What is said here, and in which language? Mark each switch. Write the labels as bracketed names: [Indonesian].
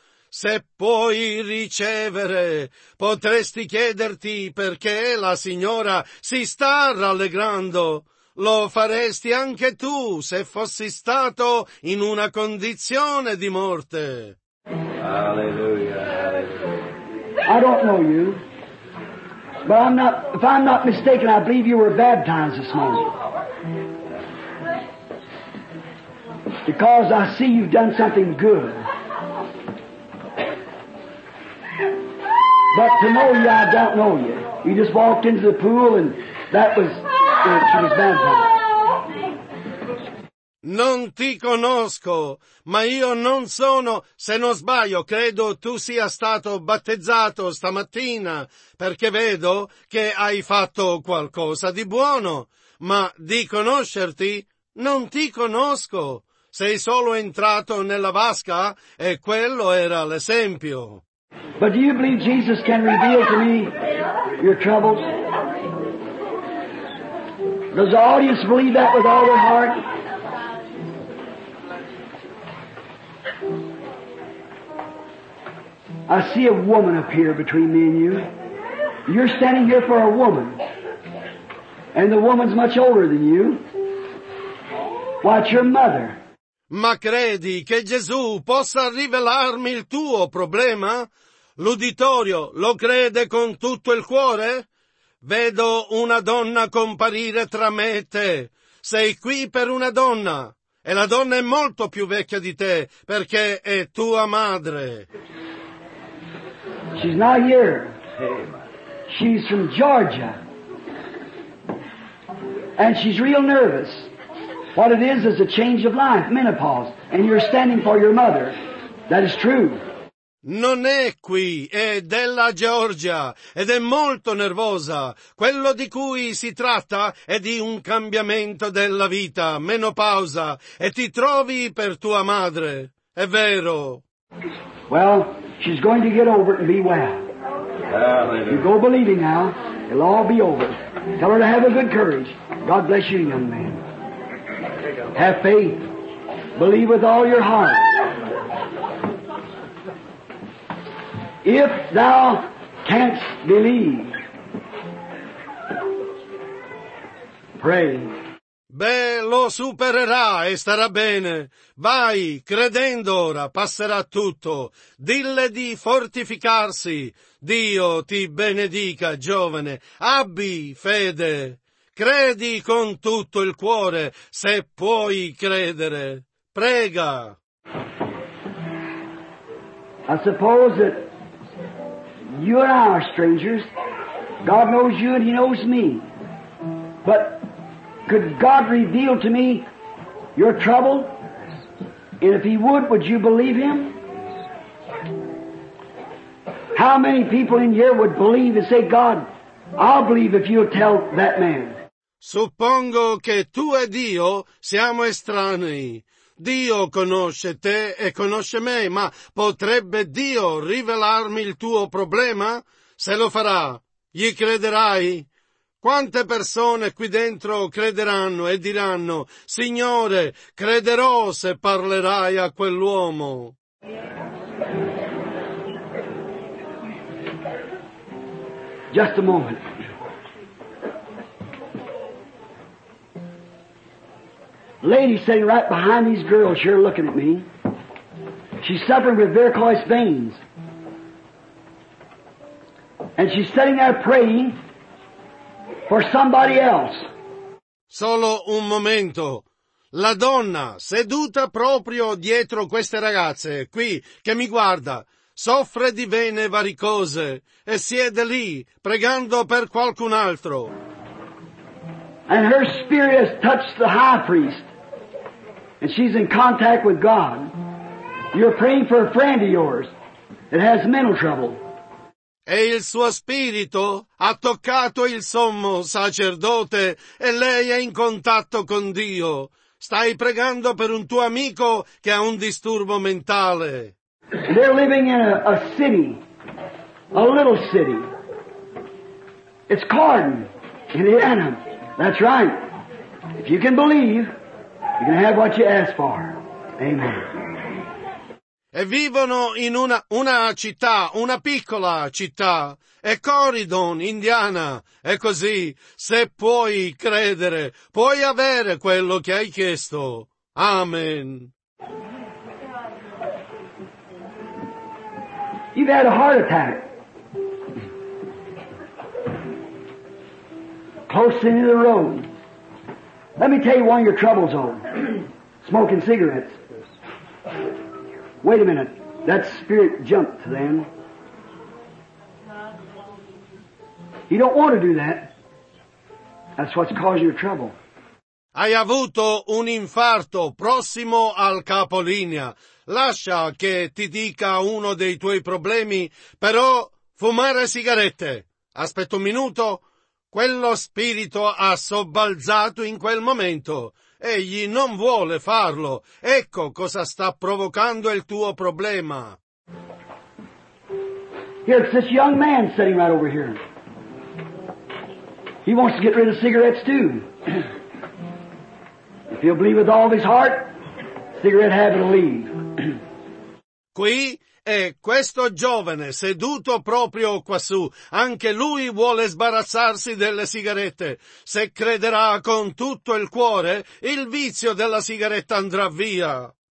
[Italian] Se puoi ricevere, potresti chiederti perché la signora si sta rallegrando. Lo faresti anche tu se fossi stato in una condizione di morte. Alleluia. [English] I don't know you, but if I'm not mistaken, I believe you were baptized this morning. Because I see you've done something good. But to know you, I don't know you. You just walked into the pool and that was, she was baptized. [Italian] Non ti conosco, ma io non sono, se non sbaglio, credo tu sia stato battezzato stamattina, perché vedo che hai fatto qualcosa di buono, ma di conoscerti, non ti conosco. Sei solo entrato nella vasca e quello era l'esempio. [English] But do you believe Jesus can reveal to me your troubles? Does the audience believe that with all their heart? I see a woman up here between me and you. You're standing here for a woman. And the woman's much older than you. Watch your mother. [Italian] Ma credi che Gesù possa rivelarmi il tuo problema? L'uditorio lo crede con tutto il cuore? Vedo una donna comparire tra me e te. Sei qui per una donna. E la donna è molto più vecchia di te, perché è tua madre. [English] She's not here. She's from Georgia. And she's real nervous. What it is a change of life, menopause. And you're standing for your mother. That is true. [Italian] Non è qui, è della Georgia. Ed è molto nervosa. Quello di cui si tratta è di un cambiamento della vita, menopausa. E ti trovi per tua madre. È vero. [English] Well, she's going to get over it and be well. You go believing now, it'll all be over. Tell her to have a good courage. God bless you, young man. Have faith. Believe with all your heart. If thou canst believe, pray. [Italian] Beh, lo supererà e starà bene. Vai, credendo ora, passerà tutto. Dille di fortificarsi. Dio ti benedica, giovane. Abbi fede. Credi con tutto il cuore, se puoi credere. Prega. [English] I suppose that you and I are strangers. God knows you and He knows me. But could God reveal to me your trouble? And if He would you believe Him? How many people in here would believe and say, God, I'll believe if you'll tell that man? [Italian] Suppongo che tu e Dio siamo estranei. Dio conosce te e conosce me, ma potrebbe Dio rivelarmi il tuo problema? Se lo farà, gli crederai? Quante persone qui dentro crederanno e diranno, Signore, crederò se parlerai a quell'uomo. [English] Just a moment. Lady sitting right behind these grills here looking at me. She's suffering with varicose veins. And she's sitting there praying for somebody else. [Italian] Solo un momento. La donna seduta proprio dietro queste ragazze qui che mi guarda soffre di vene varicose e siede lì pregando per qualcun altro. [English] And her spirit has touched the high priest. And she's in contact with God. You're praying for a friend of yours that has mental trouble. [Italian] E il suo spirito ha toccato il sommo sacerdote e lei è in contatto con Dio. Stai pregando per un tuo amico che ha un disturbo mentale. [English] They're living in a city, a little city. It's Cardin, Indiana. That's right. If you can believe, you can have what you ask for. Amen. [Italian] E vivono in una città, una piccola città, è Corydon, Indiana, è così, se puoi credere, puoi avere quello che hai chiesto. Amen. [English] You've had a heart attack. Close into the road. Let me tell you one of your troubles, old. Smoking cigarettes. Wait a minute, that spirit jumped then. You don't want to do that. That's what's causing your trouble. [Italian] Hai avuto un infarto prossimo al capolinea. Lascia che ti dica uno dei tuoi problemi, però fumare sigarette. Aspetta un minuto. Quello spirito ha sobbalzato in quel momento. Egli non vuole farlo. Ecco cosa sta provocando il tuo problema. [English] Here, it's this young man sitting right over here. He wants to get rid of cigarettes too. If he'll believe with all of his heart, cigarette habit will leave. [Italian] Qui è questo giovane seduto proprio quassù. Anche lui vuole sbarazzarsi delle sigarette. Se crederà con tutto il cuore, il vizio della sigaretta andrà via.